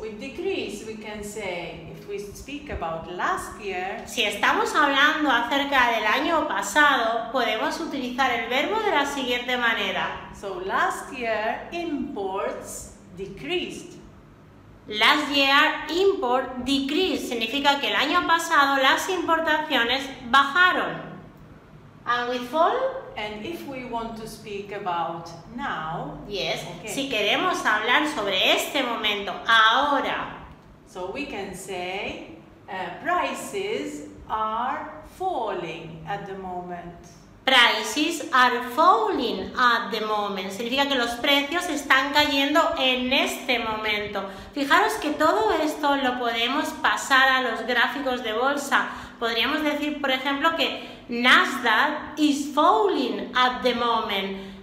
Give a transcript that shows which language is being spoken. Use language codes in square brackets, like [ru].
[en] With decrease we can say, if we speak about last year. [es] Si estamos hablando acerca del año pasado, podemos utilizar el verbo de la siguiente manera. [en] So last year imports decreased. Last year import decreased [es] significa que el año pasado las importaciones bajaron. [en] And with fall? And if we want to speak about now? Yes. Okay. [es] Si queremos hablar sobre este momento ahora. [en] So we can say prices are falling at the moment. Prices are falling at the moment. [es] Significa que los precios están cayendo en este momento. Fijaros que todo esto lo podemos pasar a los gráficos de bolsa. Podríamos decir, por ejemplo, que [en] Nasdaq is falling at the moment.